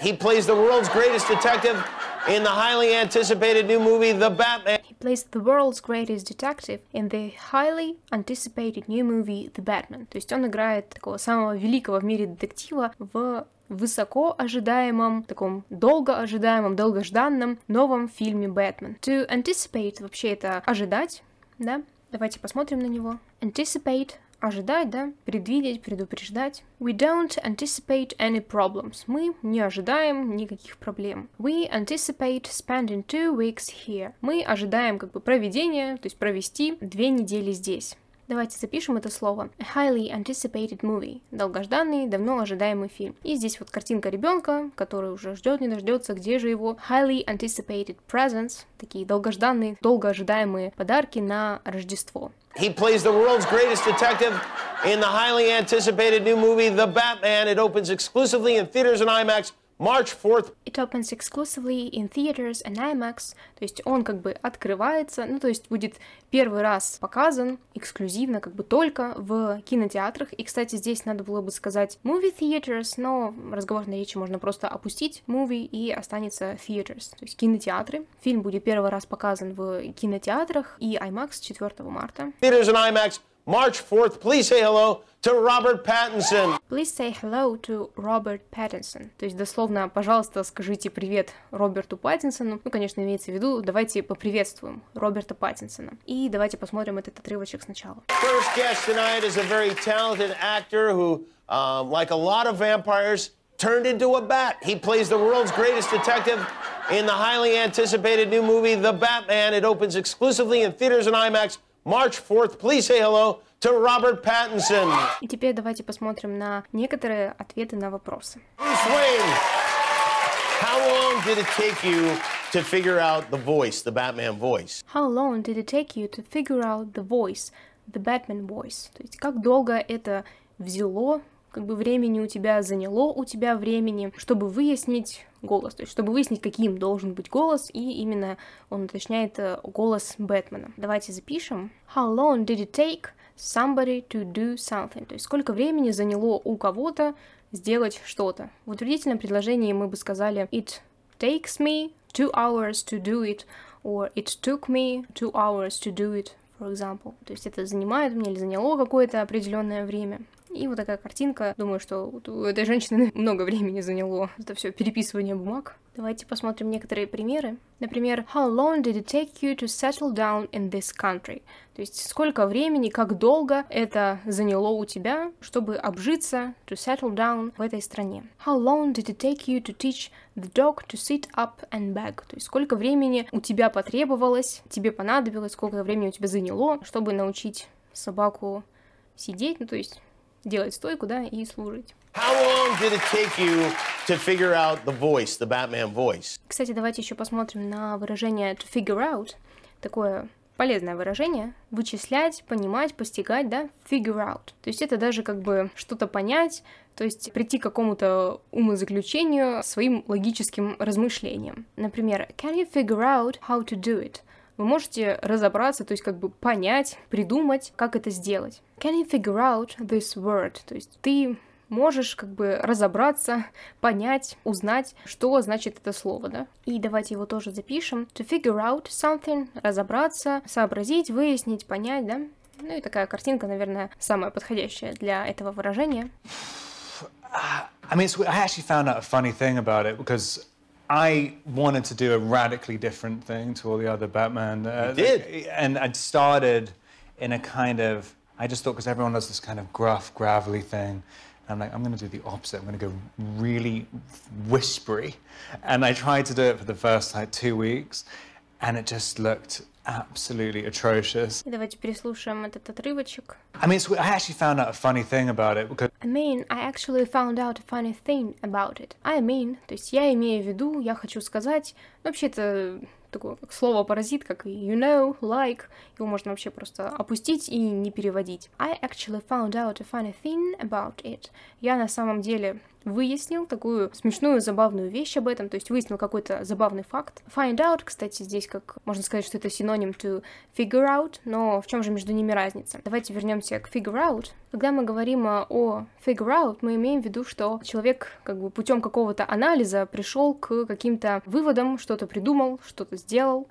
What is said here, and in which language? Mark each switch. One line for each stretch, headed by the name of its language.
English: He plays the world's greatest detective in the highly anticipated new movie, The Batman. He plays the world's greatest detective in the highly anticipated new movie, The Batman.
Russian: То есть он играет такого самого великого в мире детектива в высоко ожидаемом, таком долго ожидаемом, долгожданном новом фильме Бэтмен. To anticipate, вообще это ожидать, да? Давайте посмотрим на него. Anticipate. Ожидать, да? Предвидеть, предупреждать.
English: We don't anticipate any problems.
Russian: Мы не ожидаем никаких проблем.
English: We anticipate spending 2 weeks here.
Russian: Мы ожидаем как бы проведения, то есть провести 2 недели здесь. Давайте запишем это слово.
English: A highly anticipated movie.
Russian: Долгожданный, давно ожидаемый фильм. И здесь вот картинка ребенка, который уже ждет, не дождется, где же его.
English: Highly anticipated presents.
Russian: Такие долгожданные, долго ожидаемые подарки на Рождество.
English: He plays the world's greatest detective in the highly anticipated new movie, The Batman. It opens exclusively in theaters and IMAX March 4th. It opens exclusively in theaters and IMAX.
Russian: То есть он как бы открывается, ну то есть будет первый раз показан эксклюзивно, как бы только в кинотеатрах. И, кстати, здесь надо было бы сказать movie theaters, но разговорной речи можно просто опустить movie и останется theaters, то есть кинотеатры. Фильм будет первый раз показан в кинотеатрах и IMAX 4 марта.
English: Theaters and IMAX March 4th. Please say hello to Robert Pattinson. Please say hello to Robert Pattinson.
Russian: То есть дословно, пожалуйста, скажите привет Роберту Паттинсону. Ну, конечно, имеется в виду, давайте поприветствуем Роберта Паттинсона. И давайте посмотрим этот отрывочек сначала.
English: First guest tonight is a very talented actor who, like a lot of vampires, turned into a bat. He plays the world's greatest detective in the highly anticipated new movie, The Batman. It opens exclusively in theaters and IMAX March 4th. Please say hello to Robert Pattinson.
Russian: И теперь давайте посмотрим на некоторые ответы на вопросы.
English: Bruce Wayne, how long did it take you to figure out the voice, the Batman voice? How long did it take you to figure out the voice, the Batman voice?
Russian: То есть как долго это взяло, как бы времени у тебя заняло, у тебя времени, чтобы выяснить голос, то есть чтобы выяснить, каким должен быть голос, и именно он уточняет голос Бэтмена. Давайте запишем.
English: How long did it take somebody to do something?
Russian: То есть сколько времени заняло у кого-то сделать что-то? В утвердительном предложении мы бы сказали
English: It takes me 2 hours to do it, or it took me 2 hours to do it. В for example.
Russian: То есть это занимает меня или заняло какое-то определенное время. И вот такая картинка. Думаю, что у этой женщины много времени заняло это все переписывание бумаг. Давайте посмотрим некоторые примеры.
English: Например, how long did it take you to settle down in this country?
Russian: То есть сколько времени, как долго это заняло у тебя, чтобы обжиться,
English: to settle down
Russian: в этой стране.
English: How long did it take you to teach the dog to sit up and beg?
Russian: То есть сколько времени у тебя потребовалось, тебе понадобилось, сколько времени у тебя заняло, чтобы научить собаку сидеть, ну то есть делать стойку, да, и служить.
English: How long did it take you to figure out the voice, the Batman voice?
Russian: Кстати, давайте еще посмотрим на выражение to figure out. Такое полезное выражение. Вычислять, понимать, постигать, да, figure out. То есть это даже как бы что-то понять, то есть прийти к какому-то умозаключению своим логическим размышлением. Например, can you figure out how to do it? Вы можете разобраться, то есть как бы понять, придумать, как это сделать. Can you figure out this word? То есть ты можешь как бы разобраться, понять, узнать, что значит это слово, да? И давайте его тоже запишем.
English: To figure out something,
Russian: разобраться, сообразить, выяснить, понять, да? Ну и такая картинка, наверное, самая подходящая для этого выражения.
English: I mean, I actually found out a funny thing about it, because I wanted to do a radically different thing to all the other Batman. You did. And I'd started in a kind of, I just thought, because everyone does this kind of gruff, gravelly thing, and I'm like, I'm going to do the opposite. I'm going to go really whispery. And I tried to do it for the first like 2 weeks, and it just looked absolutely atrocious.
Russian: Давайте переслушаем этот отрывочек.
English: I mean, I actually found out a funny thing about it because. I mean, I actually found out a funny thing about it. I mean,
Russian: то есть я имею в виду, я хочу сказать. Вообще это такое как слово-паразит, как
English: you know, like.
Russian: Его можно вообще просто опустить и не переводить.
English: I actually found out a funny thing about it.
Russian: Я на самом деле выяснил такую смешную, забавную вещь об этом, то есть выяснил какой-то забавный факт. Find out, кстати, здесь как можно сказать, что это синоним to figure out, но в чем же между ними разница? Давайте вернемся к figure out. Когда мы говорим о figure out, мы имеем в виду, что человек как бы путем какого-то анализа пришел к каким-то выводам, что-то придумал, что-то сделал.